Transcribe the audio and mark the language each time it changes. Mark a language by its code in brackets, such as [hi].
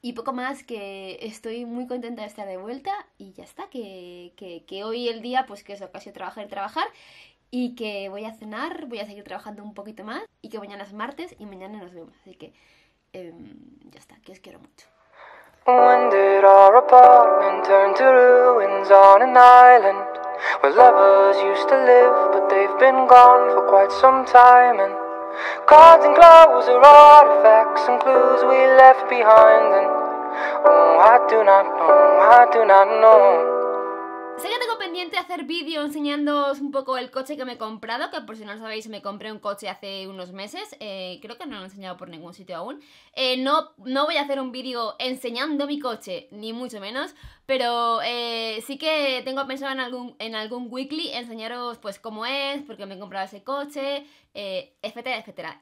[es] Y poco más, que estoy muy contenta de estar de vuelta y ya está, que hoy el día, pues que eso, casi trabajar. Y que voy a cenar, voy a seguir trabajando un poquito más y que mañana es martes y mañana nos vemos, así que... ya está, que os quiero mucho. [en] When did our apartment turn to ruins on an island where lovers used to live, but they've been gone for quite some time, and cards and clothes are artifacts and clues we left behind, and oh, I do not know, I do not know. [es] Sé que tengo pendiente de hacer vídeo enseñándoos un poco el coche que me he comprado, que por si no lo sabéis, me compré un coche hace unos meses, creo que no lo he enseñado por ningún sitio aún. No voy a hacer un vídeo enseñando mi coche, ni mucho menos, pero sí que tengo pensado en algún weekly enseñaros pues cómo es, porque me he comprado ese coche, etcétera, etcétera.